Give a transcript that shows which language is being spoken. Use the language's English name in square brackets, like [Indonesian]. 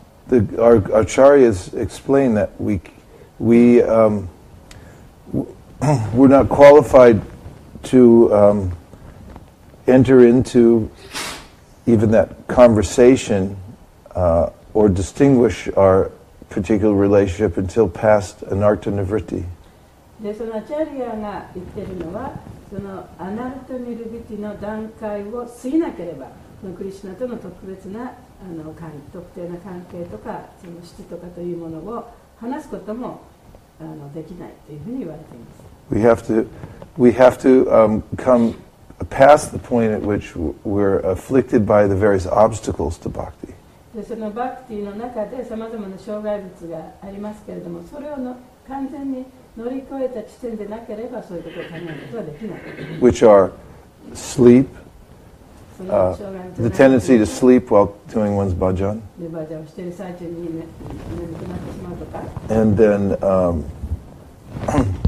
[English] Our acharyas explain that we're not qualified to enter into even that conversation or distinguish our. Particular relationship until past anartha nirvritti. [Japanese] で、そのアチャリアが言ってるのは、そのアナルトニルビティの段階を過ぎなければ、そのクリシュナとの特別な特定な関係とか、その質とかというものを話すこともできないというふうに言われています。 [English] We have to come past the point at which we're afflicted by the various obstacles to bhakti. [Japanese] でそのバクティの中でさまざまな障害物がありますけれども、それをの完全に乗り越えた地点でなければそういうことを考えることはできない。 [English] Which are sleep, the tendency to sleep while doing one's bhajan. [Japanese] でバジャンをしている最中に眠くなってしまうとか。